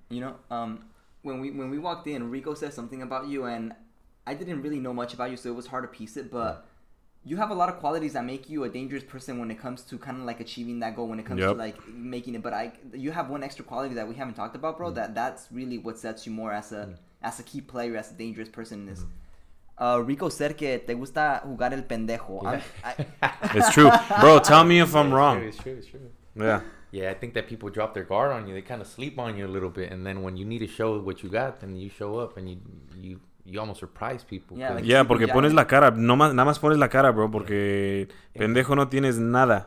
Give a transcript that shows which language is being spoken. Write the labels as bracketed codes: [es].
[en] You know, when we walked in, Rico said something about you, and I didn't really know much about you, so it was hard to piece it, but. Yeah. You have a lot of qualities that make you a dangerous person when it comes to kind of like achieving that goal, when it comes to like making it. But you have one extra quality that we haven't talked about, bro, that's really what sets you more as a key player, as a dangerous person in this. Rico said [es] que te gusta jugar el pendejo. [en] Yeah. It's true. Bro, tell me if I'm wrong. It's true. Yeah. Yeah, I think that people drop their guard on you. They kind of sleep on you a little bit. And then when you need to show what you got, then you show up and you almost surprise people. Yeah, like, yeah, [es] porque pones la cara. No más, nada más pones la cara, bro, porque pendejo no tienes nada.